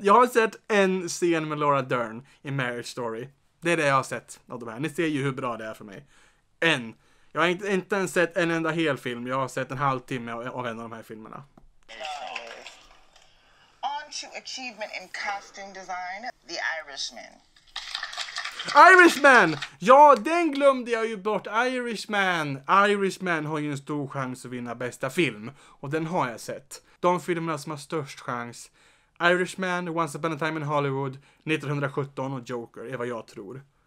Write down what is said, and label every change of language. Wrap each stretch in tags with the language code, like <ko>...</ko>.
<sv>Jag har sett en scen med Laura Dern i Marriage Story. Det är det jag har sett av de här. Ni ser ju hur bra det är för mig. En. Jag har inte ens sett en enda hel film. Jag har sett en halvtimme av en av de här filmerna.</sv> <en>On to achievement in costume design, The Irishman. Irishman!</en> <sv>Ja, den glömde jag ju bort. Irishman. Irishman har ju en stor chans att vinna bästa film. Och den har jag sett. De filmerna som har störst chans. Irishman, Once Upon a Time in Hollywood, 1917 och Joker är vad jag tror.</sv>